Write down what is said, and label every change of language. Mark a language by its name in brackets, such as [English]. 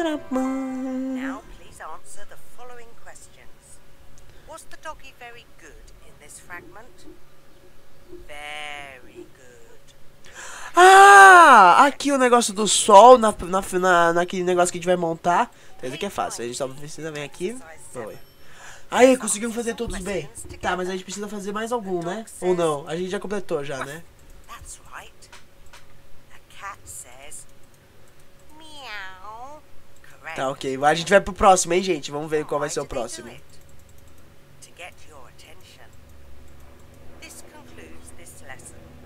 [English] Now please answer the following questions. Was the doggy very good in this fragment? Very good. [Portuguese] Ah, aqui o negócio do sol naquele negócio que a gente vai montar. Então, isso aqui é fácil. A gente só precisa vir aqui. Oi. Aí, conseguimos fazer todos bem. Tá, mas a gente precisa fazer mais algum, né? Ou não? A gente já completou já, né? [English] That's right. A cat says meow. [Portuguese] Tá, ok. A gente vai pro próximo, hein, gente? Vamos ver qual vai ser o próximo. [English] To get your attention. This concludes this lesson.